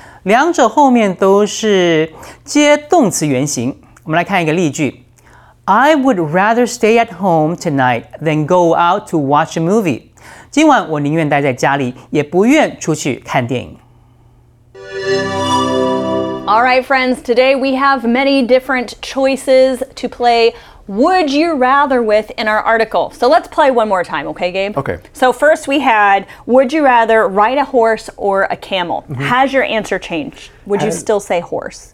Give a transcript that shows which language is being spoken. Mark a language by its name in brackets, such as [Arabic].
[Chinese] 两者后面都是接动词原形。我们来看一个例句。 [English] I would rather stay at home tonight than go out to watch a movie. [Chinese] 今晚我宁愿待在家里，也不愿出去看电影。 [English] All right, friends, today we have many different choices to play would you rather with in our article. So let's play one more time, okay, Gabe? Okay. So first we had, would you rather ride a horse or a camel? Mm-hmm. Has your answer changed? Would you still say horse?